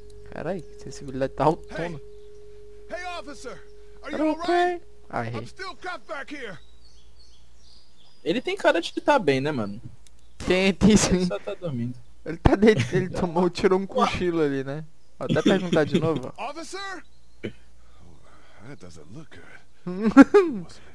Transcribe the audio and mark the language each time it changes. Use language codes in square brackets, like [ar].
[pt] Caralho, sensibilidade tá autônoma. [en] Hey, officer, are you alright? Okay. [pt] Ele tem cara de que tá bem, né, mano? Tem sim. Ele só tá dormindo. Ele tá deitado, ele tomou, tirou um cochilo ali, né? Vou até perguntar de novo. [en] Officer? That doesn't look good.